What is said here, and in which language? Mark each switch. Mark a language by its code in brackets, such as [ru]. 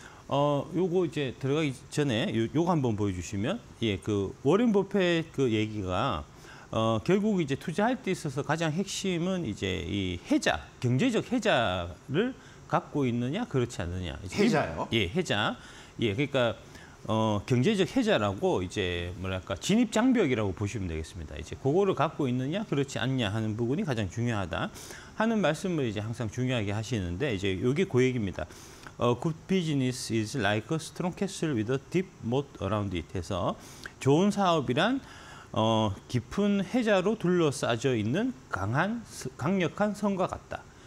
[ko] 요거 이제 들어가기 전에 요거 한번 보여주시면 예, 그 워렌 버핏 그 얘기가 결국 이제 투자할 때 있어서 가장 핵심은 이제 이 혜자, 경제적 혜자를 갖고 있느냐, 그렇지 않느냐. 혜자요? 예, 혜자. 예, 그러니까 경제적 혜자라고 이제 뭐랄까 진입 장벽이라고 보시면 되겠습니다. 이제 그거를 갖고 있느냐, 그렇지 않냐 하는 부분이 가장 중요하다 하는 말씀을 이제 항상 중요하게 하시는데 이제 이게 그 얘기입니다. [en] Good business is like a strong castle with a deep moat around it. [ko] 해서 좋은 사업이란 깊은 해자로 둘러싸여 있는 강력한 성과 같다.